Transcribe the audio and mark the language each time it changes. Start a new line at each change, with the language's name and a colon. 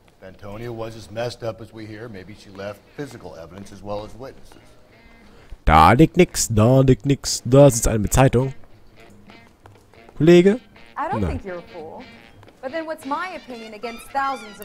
English: Antonia was as messed up as we hear. Maybe she left physical evidence as well as witnesses.
German: Da liegt nix, da liegt nix. Da sitzt eine mit Zeitung. Kollege?
English: I don't think you're a fool. But then what's my opinion against thousands of